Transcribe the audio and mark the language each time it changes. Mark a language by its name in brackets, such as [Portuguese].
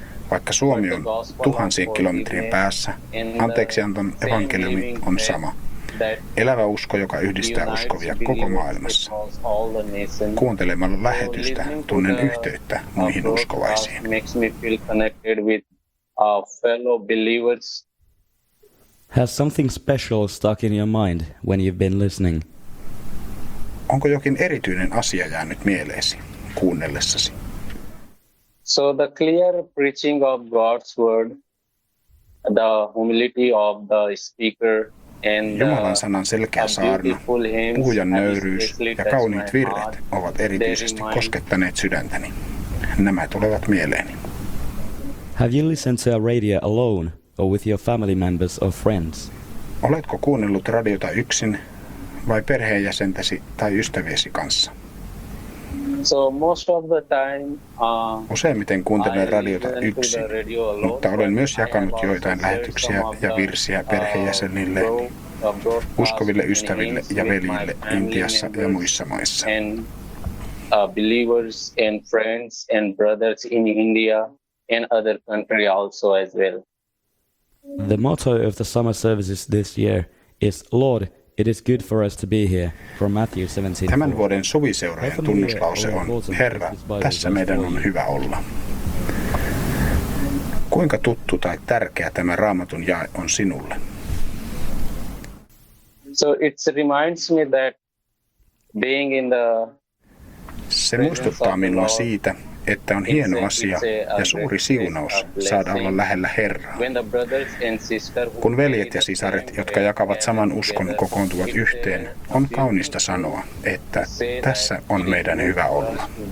[Finnish] vaikka Suomi on tuhansien kilometrien päässä, anteeksianton evankeliumi on sama. Elävä usko, joka yhdistää uskovia koko maailmassa. Kuuntelemalla lähetystä tunnen yhteyttä muihin uskovaisiin. [English] Has something special stuck in your mind when you've been listening? [Finnish] Onko jokin erityinen asia jäänyt mieleesi kuunnellessasi? [English] So the clear preaching of God's word, the humility of the speaker and [Finnish] Jumalan sanan selkeä saarna, puhujan nöyryys ja kauniit virret ovat erityisesti koskettaneet sydäntäni. Nämä tulevat mieleeni. [English] Have you listened to a radio alone or with your family members or friends? [Finnish] Oletko kuunnellut radiota yksin vai perheenjäsentäsi tai ystäviesi kanssa? [English] So most of the time, [Finnish] useimmiten kuuntelen radiota yksin, mutta olen myös jakanut joitain lähetyksiä ja virsiä perheenjäsenille, uskoville ystäville ja veljille Intiassa ja muissa maissa. [English] Believers and friends and brothers in India and other country also as well. The motto of the summer services this year is Lord, it is good for us to be here, from Matthew 17. [Finnish] Tämän vuoden suviseurojen tunnuslause on, Herra, tässä meidän on hyvä olla. Kuinka tuttu tai tärkeä tämä Raamatun jae on sinulle? [English] So it reminds me that being in the... [Finnish] Se muistuttaa minua siitä, että on hieno asia ja suuri siunaus saada olla lähellä Herraa. Kun veljet ja sisaret, jotka jakavat saman uskon, kokoontuvat yhteen, on kaunista sanoa, että tässä on meidän hyvä olla.